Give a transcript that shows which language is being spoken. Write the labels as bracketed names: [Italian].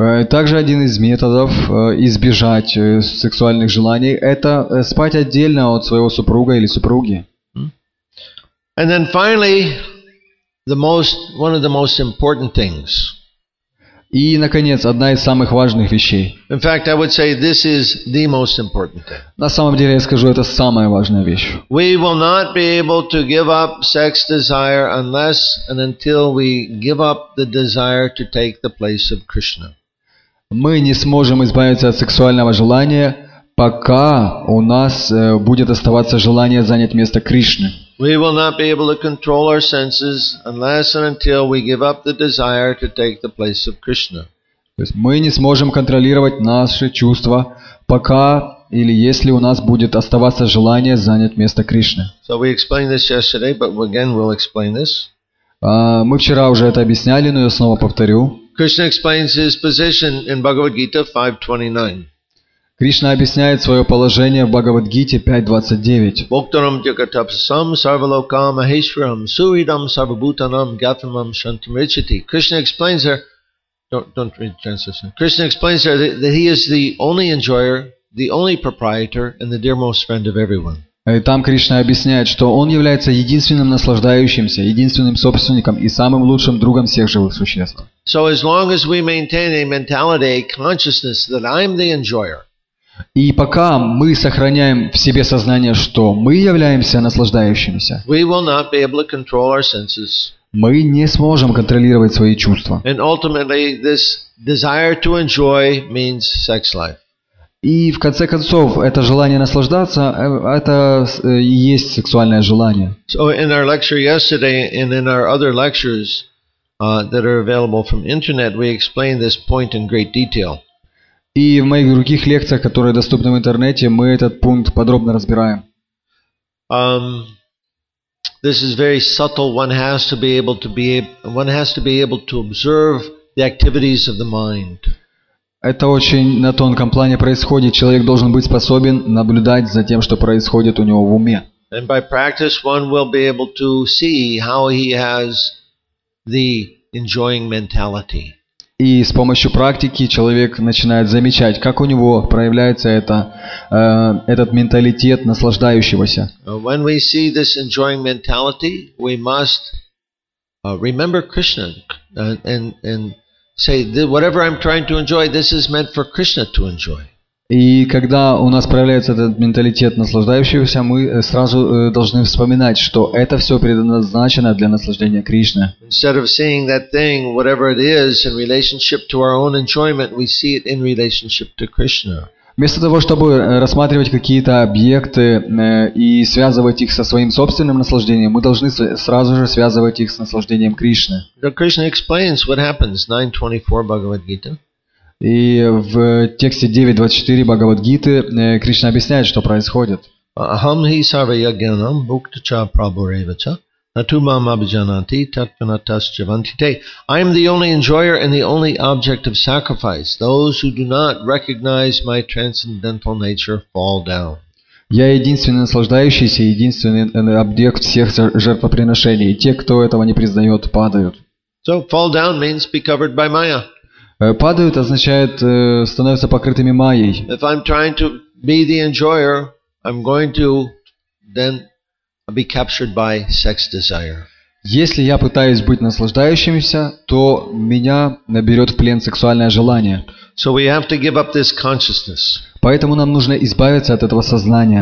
[Russian] Также один из методов избежать сексуальных желаний – это спать отдельно от своего супруга или супруги. [English] And then finally, one of the most important things. [Russian] И, наконец, одна из самых важных вещей. [English] In fact, I would say this is the most important thing. [Russian] На самом деле, я скажу, это самая важная вещь. [English] We will not be able to give up sex desire unless and until we give up the desire to take the place of Krishna. [Russian] Мы не сможем избавиться от сексуального желания, пока у нас будет оставаться желание занять место Кришны. [English] We will not be able to control our senses unless and until we give up the desire to take the place of Krishna. [Russian] То есть мы не сможем контролировать наши чувства, пока или если у нас будет оставаться желание занять место Кришны. [English] So we explained this yesterday, but again we'll explain this. [Russian] Мы вчера уже это объясняли, но я снова повторю. [English] Krishna explains his position in Bhagavad Gita 5:29. [Russian] Кришна объясняет своё положение в Бхагавад-гите 5:29. [Sanskrit] Боктарам джагатапсам сарвалокам ахишварам суридам сарвабутанам гатамам шантамричати. [English] Krishna explains there, don't read the translation. Krishna explains there that he is the only enjoyer, the only proprietor, and the dearmost friend of everyone. [Russian] И там Кришна объясняет, что он является единственным наслаждающимся, единственным собственником и самым лучшим другом всех живых существ. [English] So as long as we maintain a mentality, a consciousness that I'm the enjoyer. [Russian] И пока мы сохраняем в себе сознание, что мы являемся наслаждающимися. [English] We will not be able to control our senses. [Russian] Мы не сможем контролировать свои чувства. [English] And ultimately this desire to enjoy means sex life. [Russian] И в конце концов, это желание наслаждаться, это и есть сексуальное желание. [English] So in our lecture yesterday and in our other lectures that are available from internet, we explain this point in great detail. [Russian] И в моих других лекциях, которые доступны в интернете, мы этот пункт подробно разбираем. [English] This is very subtle. One has to be able to observe the activities of the mind. [Russian] Это очень на тонком плане происходит. Человек должен быть способен наблюдать за тем, что происходит у него в уме. [English] And by practice one will be able to see how he has the enjoying mentality. [Russian] И с помощью практики человек начинает замечать, как у него проявляется этот менталитет наслаждающегося. [English] When we see this enjoying mentality, we must remember Krishna and say that whatever I'm trying to enjoy, this is meant for Krishna to enjoy. [Russian] И когда у нас проявляется этот менталитет наслаждающегося, мы сразу должны вспоминать, что это все предназначено для наслаждения Кришны. [English] Instead of seeing that thing, whatever it is, in relationship to our own enjoyment, we see it in relationship to Krishna. [Russian] Вместо того, чтобы рассматривать какие-то объекты и связывать их со своим собственным наслаждением, мы должны сразу же связывать их с наслаждением Кришны. [English] Krishna explains what happens, 9:24 Bhagavad Gita. [Russian] И в тексте 9:24 Бхагавад Гиты Кришна объясняет, что происходит. [Sanskrit] Aham hi sarva yajnanam bhukta cha prabhureva cha natumam abhijananti tatvanatas chavantite. [English] I am the only enjoyer and the only object of sacrifice. Those who do not recognize my transcendental nature fall down. [Russian] Я единственный наслаждающийся, единственный объект всех жертвоприношений. Те, кто этого не признает, падают. [English] So fall down means be covered by Maya. [Russian] Падают означает становятся покрытыми майей. [English] If I'm trying to be the enjoyer, I'm going to then be captured by sex desire. [Russian] Если я пытаюсь быть наслаждающимся, то меня наберет в плен сексуальное желание. [English] So we have to give up this consciousness. [Russian] Поэтому нам нужно избавиться от этого сознания.